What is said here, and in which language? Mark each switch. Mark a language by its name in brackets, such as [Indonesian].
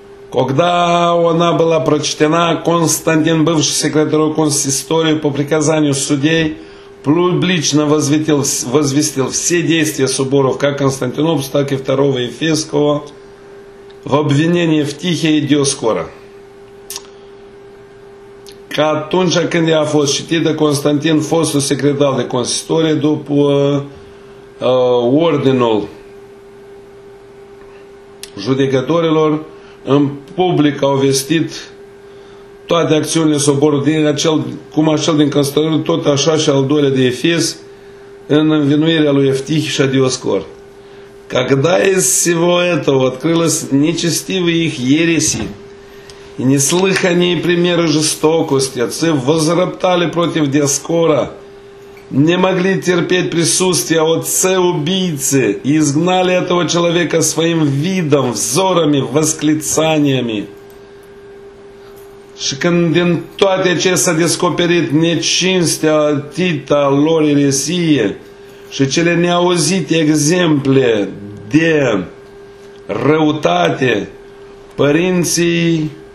[Russian] Когда она была прочтена, Константин, бывший секретарем консистории, по приказанию судей, публично возвестил все действия соборов, как Константинопольского, так и второго Ефесского, в обвинении в Тихе и Диоскора. [Romanian] Ca atunci când ea a fost citită, Constantin, fostul secretar de consistorie, după ordinul judecătorilor, în public au vestit toate acțiunile soborului, cum acel din consistorie, tot așa și al doilea de Efes, în învinuirea lui Eftih și a Dioscor. [Russian] Когда из всего этого открылось нечестивые их ереси, и неслыханные примеры жестокости, отцы возроптали против Диоскора, не могли терпеть присутствия отца-убийцы и изгнали этого человека своим видом, взорами, восклицаниями. [Romanian] Și când din toate ce s-a descoperit nechinstea tita lor eresie și cele neauzite exemple de răutate, părinții